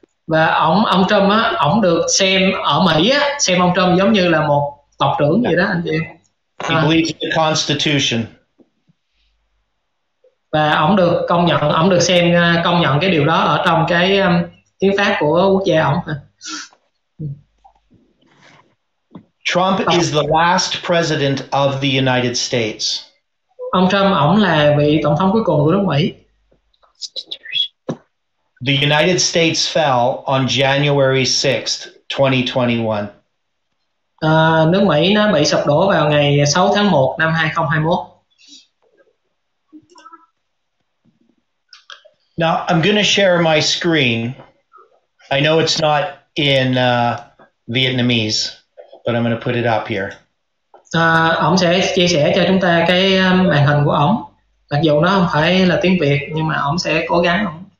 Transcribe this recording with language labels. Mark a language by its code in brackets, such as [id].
[vi] Và ông Trump á, ông được xem ở Mỹ á, xem ông Trump giống như là một tộc trưởng vậy đó anh chị. [en] He believes in the Constitution. [vi] Và ông được công nhận, ông được xem công nhận cái điều đó ở trong cái hiến pháp của quốc gia ông. [en] Trump is the last president of the United States. [vi] Ông Trump ông là vị tổng thống cuối cùng của nước Mỹ. [en] The United States fell on January 6th, 2021. [vi] Nước Mỹ nó bị sụp đổ vào ngày 6 tháng 1 năm 2021. [en] Now, I'm going to share my screen. I know it's not in Vietnamese, but I'm going to put it up here. [vi] Ông sẽ chia sẻ cho chúng ta cái màn hình của ông. Mặc dù nó không phải là tiếng Việt, nhưng mà ông sẽ cố gắng.